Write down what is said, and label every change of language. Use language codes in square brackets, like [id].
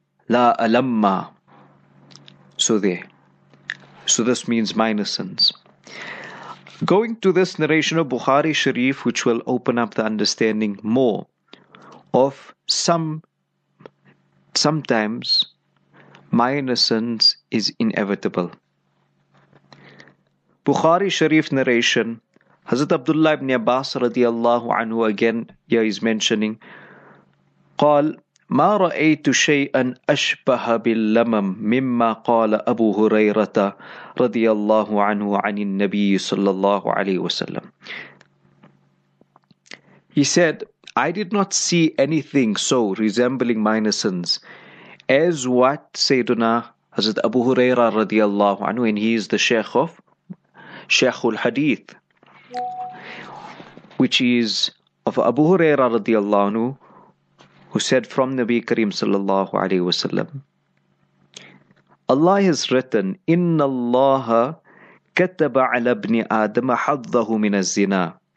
[en] La alamma. So there. So this means minor sins. Going to this narration of Bukhari Sharif, which will open up the understanding more of sometimes minor sins is inevitable. Bukhari Sharif narration, Hazrat Abdullah ibn Abbas radiallahu anhu again here is mentioning, [ar] قال ما رأيت شيئا أشبه باللمم مما قال أبو هريرة radiallahu anhu عن النبي صلى الله عليه وسلم. [en] He said, I did not see anything so resembling minor sins as what Sayyiduna Hazrat Abu Huraira radiallahu anhu, and he is the Sheikh of Sheikhul Hadith, which is of Abu Huraira radiallahu anhu, who said from Nabi Kareem sallallahu alayhi wa sallam, Allah has written, [ar] Inna Allaha kataba ala ibn Adam haddahu min az-zina.